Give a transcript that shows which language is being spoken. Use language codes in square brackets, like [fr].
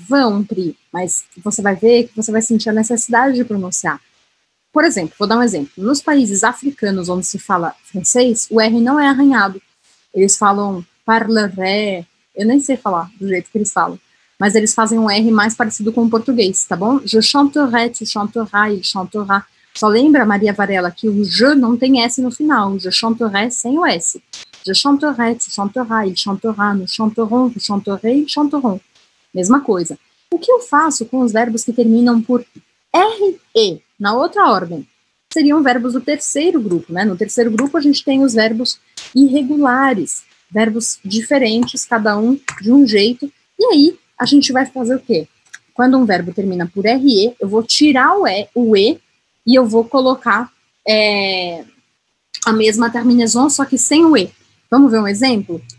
[pt] Vão, Pri, mas você vai ver que você vai sentir a necessidade de pronunciar. Por exemplo, vou dar um exemplo. Nos países africanos onde se fala francês, o R não é arranhado. Eles falam parleré. Eu nem sei falar do jeito que eles falam. Mas eles fazem um R mais parecido com o português, tá bom? [fr] Je chanterai, tu chanteras, il chantera. [pt] Só lembra, Maria Varela, que o je não tem S no final. [fr] Je chanterai [pt] sem o S. [fr] Je chanterai, tu chanteras, il chantera. Nous chanterons, vous chanterez, ils chanteront. [pt] Mesma coisa. O que eu faço com os verbos que terminam por RE, na outra ordem? Seriam verbos do terceiro grupo, né? No terceiro grupo, a gente tem os verbos irregulares, verbos diferentes, cada um de um jeito. E aí, a gente vai fazer o quê? Quando um verbo termina por RE, eu vou tirar o E e eu vou colocar a mesma terminação, só que sem o E. Vamos ver um exemplo?